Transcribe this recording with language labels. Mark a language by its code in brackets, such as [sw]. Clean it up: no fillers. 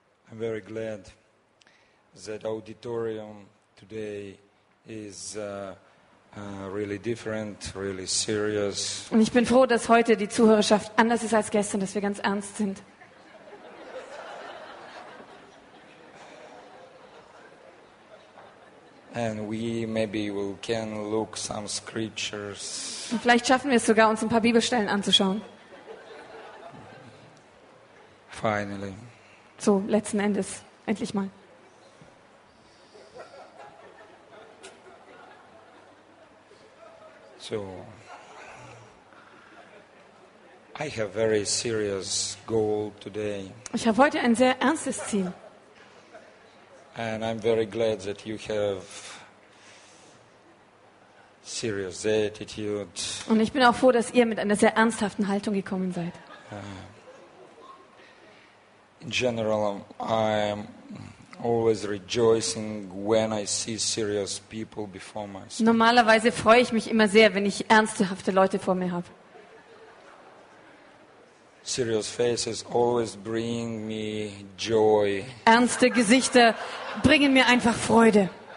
[en] I'm very glad that auditorium today is really different, really serious. [de] Und ich bin froh, dass heute die Zuhörerschaft anders ist als gestern, dass wir ganz ernst sind. [en] And we maybe we can look some scriptures. [de] Und vielleicht schaffen wir es sogar, uns ein paar Bibelstellen anzuschauen. [en] Finally. [de] So, letzten Endes, endlich mal. [en] So, I have very serious goal today. [de] Ich habe heute ein sehr ernstes Ziel. [en] And I'm very glad that you have serious attitude. [de] Und ich bin auch froh, dass ihr mit einer sehr ernsthaften Haltung gekommen seid. [en] In general, I'm always rejoicing when I see serious people before me. [de] Normalerweise freue ich mich immer sehr, wenn ich ernsthafte Leute vor mir habe. [en] Serious faces always bring me joy. [de] Ernste Gesichter bringen mir einfach Freude.